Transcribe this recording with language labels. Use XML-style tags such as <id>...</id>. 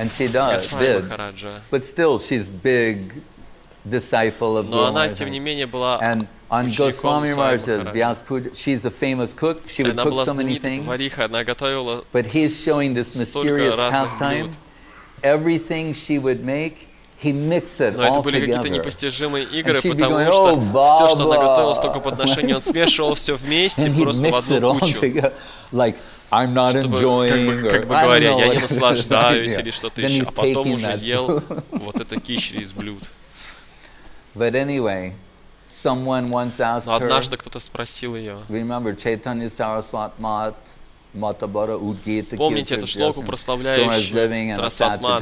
<en>And she does, did. But still, she's a big disciple of Guru Maharaj. And on Goswami Maharaj's Vyas Puja, she's a famous cook. She would cook so many things. But he's showing this mysterious pastime. Everything she would make, he mixed it all together.</en> <ru>Но это были какие-то непостижимые игры, потому что все, что она готовила, столько подношений, он смешивал все вместе, просто в одну кучу.</ru> <en>Like I'm not enjoying, or I don't know.</en> <ru>Я не наслаждаюсь или что-то еще. А потом уже ел вот это кишри из блюд.</ru> <en>But anyway. Someone once asked her.</en> <ru>Но однажды кто-то спросил ее.</ru> <en>Remember, Chaitanya Saraswat Mat, Matabara Udgita.</en> <ru>Помните эту шлоку, прославляющую Сарасват Мат,</ru>